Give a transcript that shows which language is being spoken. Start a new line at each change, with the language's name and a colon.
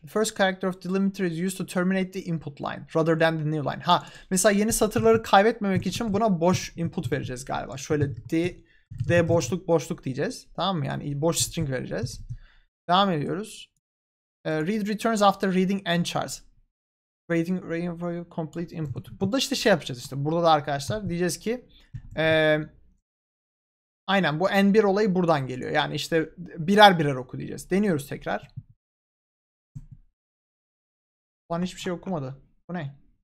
English: The first character of delimiter is used to terminate the input line rather than the new line.
Turkish: Ha, mesela yeni satırları kaybetmemek için buna boş input vereceğiz galiba. Şöyle d boşluk boşluk diyeceğiz. Tamam mı? Yani boş string vereceğiz. Devam ediyoruz.
English: Read returns after reading and chars. Waiting for your complete input.
Turkish: Bu da işte şey yapacağız işte. Burada da arkadaşlar diyeceğiz ki aynen bu n1 olayı buradan geliyor. Yani işte birer birer oku diyeceğiz. Deniyoruz tekrar. Lan hiçbir şey okumadı. Bu ne?